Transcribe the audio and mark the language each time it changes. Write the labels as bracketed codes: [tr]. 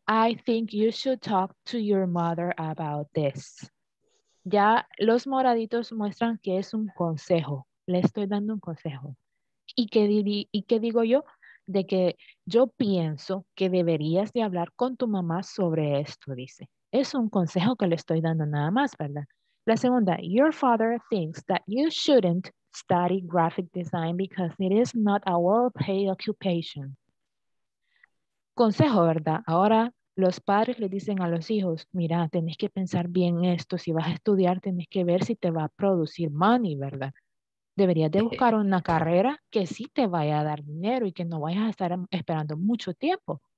[en] I think you should talk to your mother about this. [es] Ya los moraditos muestran que es un consejo. Le estoy dando un consejo. ¿Y qué digo yo? De que yo pienso que deberías de hablar con tu mamá sobre esto, dice. Es un consejo que le estoy dando nada más, ¿verdad? La segunda, [en] your father thinks that you shouldn't study graphic design because it is not a well-paid occupation. [es] Consejo, ¿verdad? Ahora, los padres le dicen a los hijos, mira, tenés que pensar bien esto. Si vas a estudiar, tenés que ver si te va a producir money, ¿verdad? Deberías de buscar una carrera que sí te vaya a dar dinero y que no vayas a estar esperando mucho tiempo.